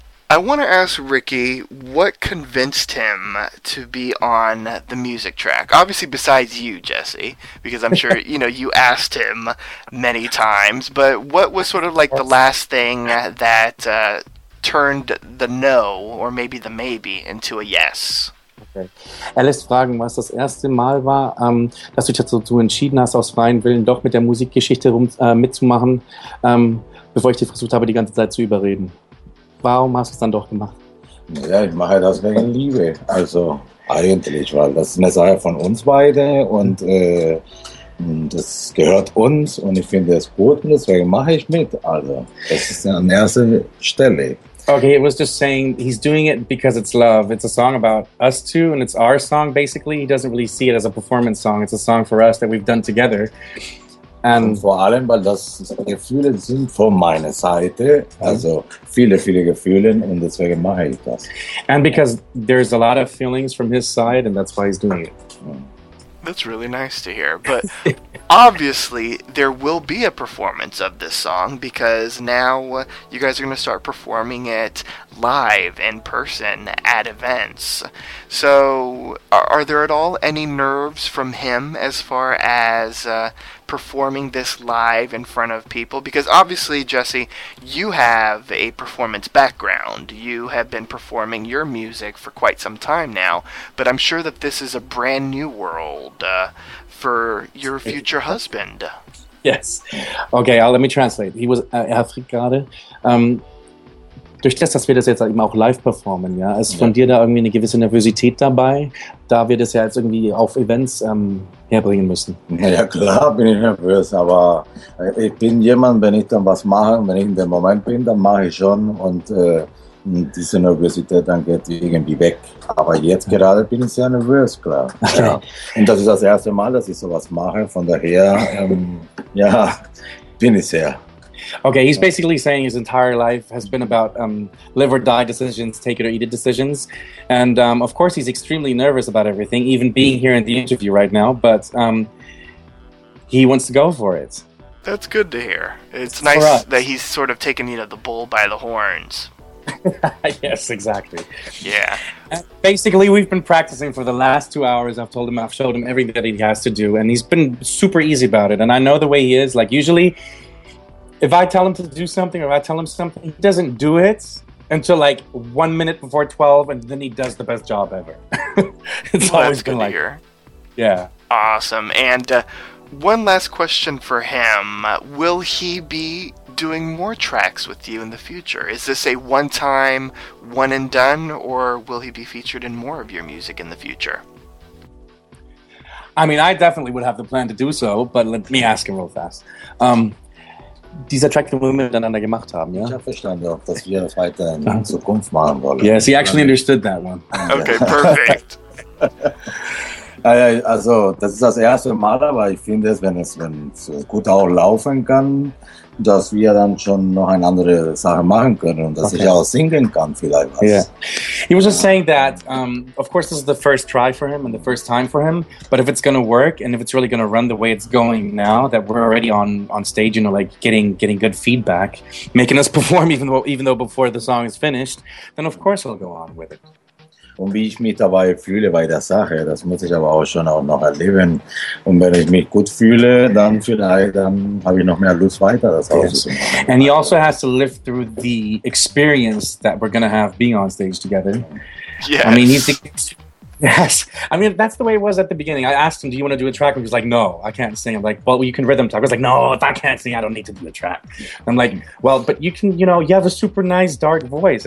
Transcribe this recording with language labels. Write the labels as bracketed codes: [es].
[en] I want to ask Ricky what convinced him to be on the music track. Obviously, besides you, Jesse, because I'm sure you know you asked him many times. But what was sort of like the last thing that turned the no or maybe the maybe into a yes? [de] Okay. Er lässt fragen, was das erste Mal war, dass du dich dazu entschieden hast, aus freien Willen doch mit der Musikgeschichte mitzumachen, bevor ich dich versucht habe, die ganze Zeit zu überreden. Warum hast du es dann doch gemacht? Ja, ich mache das wegen Liebe. Also eigentlich, weil das ist eine Sache von uns beide und das gehört uns und ich finde es gut und deswegen mache ich mit. Also das ist an erster Stelle. [en] Okay, it was just saying he's doing it because it's love. It's a song about us two and it's our song basically. He doesn't really see it as a performance song. It's a song for us that we've done together. [de] Und vor allem, weil das Gefühle sind von meiner Seite, also viele, viele Gefühle und deswegen mache ich das. [en] And because there's a lot of feelings from his side and that's why he's doing it. That's really nice to hear, but obviously there will be a performance of this song because now you guys are going to start performing it live, in person, at events. So are there at all any nerves from him as far as performing this live in front of people? Because obviously, Jesse, you have a performance background. You have been performing your music for quite some time now, but I'm sure that this is a brand new world for your future husband. Yes. Okay, let me translate. He was Afrikaner. [de] Durch das, dass wir das jetzt eben auch live performen, ja, ist von dir da irgendwie eine gewisse Nervosität dabei, da wir das ja jetzt irgendwie auf Events herbringen müssen? Ja klar bin ich nervös, aber ich bin jemand, wenn ich dann was mache, wenn ich in dem Moment bin, dann mache ich schon und diese Nervosität dann geht irgendwie weg. Aber jetzt gerade bin ich sehr nervös, klar. Ja. Und das ist das erste Mal, dass ich sowas mache, von daher ja, bin ich sehr. [en] Okay, he's basically saying his entire life has been about live or die decisions, take it or eat it decisions. And of course, he's extremely nervous about everything, even being here in the interview right now. But he wants to go for it. That's good to hear. It's nice that he's sort of taken, you know, the bull by the horns. Yes, exactly. Yeah. Basically, we've been practicing for the last 2 hours. I've showed him everything that he has to do, and he's been super easy about it. And I know the way he is. Like, usually, if I tell him to do something or I tell him something, he doesn't do it until, like, 1 minute before 12, and then he does the best job ever. It's well, always been like... that's good hear. Yeah. Awesome. And one last question for him. Will he be doing more tracks with you in the future? Is this a one-time, one-and-done, or will he be featured in more of your music in the future? I mean, I definitely would have the plan to do so, but let me ask him real fast. [de] Dieser Track, den wir miteinander gemacht haben, ja? Ich habe verstanden, dass wir das weiter in Zukunft machen wollen. [en] Yes, he actually understood that one. Okay, perfect. [de] Also, das ist das erste Mal, aber ich finde es, wenn es gut auch laufen kann, dass wir dann schon noch eine andere Sache machen können und dass okay. ich auch singen kann vielleicht was. [en] Yeah. He was just saying that, of course, this is the first try for him and the first time for him, but if it's going to work and if it's really going to run the way it's going now, that we're already on stage, you know, like getting good feedback, making us perform even though before the song is finished, then of course we'll go on with it. [de] Und wie ich mich dabei fühle bei der Sache, das muss ich aber auch schon auch noch erleben. Und wenn ich mich gut fühle, dann vielleicht, dann habe ich noch mehr Lust weiter, das auch zu machen. [en] And he also has to live through the experience that we're going to have being on stage together. Yes. I mean, that's the way it was at the beginning. I asked him, do you want to do a track? And he was like, no, I can't sing. I'm like, well, you can rhythm talk. I was like, no, if I can't sing, I don't need to do a track. I'm like, well, but you can, you know, you have a super nice dark voice.